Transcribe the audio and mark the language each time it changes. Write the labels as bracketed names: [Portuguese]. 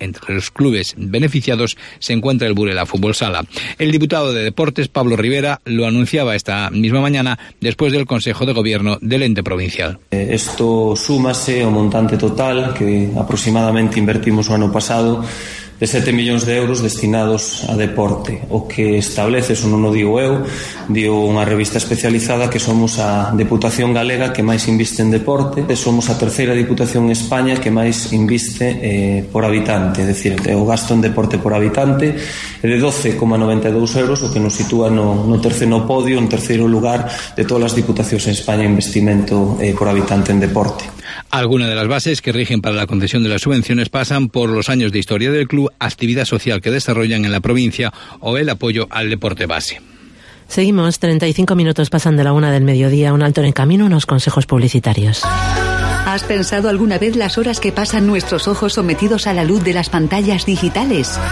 [Spanish] Entre los clubes beneficiados se encuentra el Burela Fútbol Sala. El diputado de Deportes, Pablo Rivera, lo anunciaba esta misma mañana después del Consejo de Gobierno del ente provincial. Esto súmase a un montante total que aproximadamente invertimos el año pasado de 7 millóns de euros destinados a deporte. [Galician] O que establece, eso non o digo eu, digo unha revista especializada, que somos a Deputación Galega que máis inviste en deporte, e somos a terceira Diputación en España que máis inviste por habitante, é dicir, o gasto en deporte por habitante é de 12,92 euros, o que nos sitúa no terceiro podio, en terceiro lugar de todas as Diputacións en España en investimento por habitante en deporte. [Spanish] Algunas de las bases que rigen para la concesión de las subvenciones pasan por los años de historia del club, actividad social que desarrollan en la provincia o el apoyo al deporte base. Seguimos, 35 minutos pasan de la una del mediodía, un alto en el camino, unos consejos publicitarios. ¿Has pensado alguna vez las horas que pasan nuestros ojos sometidos a la luz de las pantallas digitales?